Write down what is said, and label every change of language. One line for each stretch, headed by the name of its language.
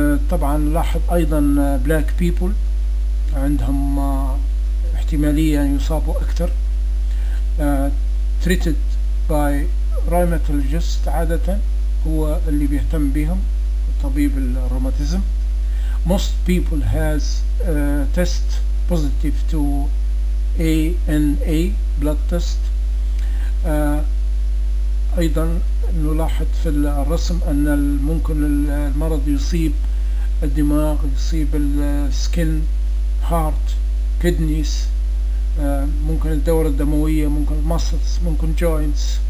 Arabic: طبعا لاحظ أيضا
English: black people
Arabic: عندهم احتمالية أن يصابوا أكثر.
English: treated by rheumatologist
Arabic: عادة، هو اللي بيهتم بهم طبيب الروماتيزم.
English: most people has test positive to ANA blood test.
Arabic: أيضا نلاحظ في الرسم أن ممكن المرض يصيب الدماغ، يصيب السكن، heart، kidneys، ممكن الدورة الدموية، ممكن muscles، ممكن joints.